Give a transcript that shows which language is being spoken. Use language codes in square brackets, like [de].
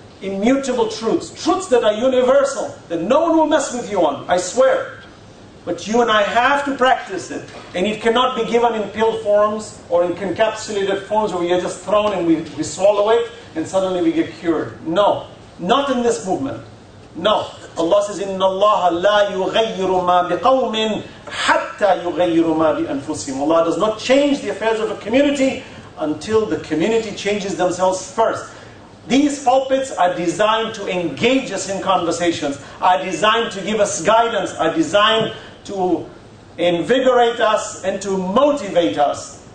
[en] Immutable truths. Truths that are universal. That no one will mess with you on. I swear. But you and I have to practice it. And it cannot be given in pill forms or in encapsulated forms where you're just thrown and we swallow it and suddenly we get cured. No. Not in this movement. No. Allah says, [ar] إِنَّ اللَّهَ لَا يُغَيِّرُ مَا بِقَوْمٍ حَتَّى يُغَيِّرُ مَا بِأَنفُسِهِمْ. [en] Allah does not change the affairs of a community until the community changes themselves first. These pulpits are designed to engage us in conversations, are designed to give us guidance, are designed to invigorate us and to motivate us.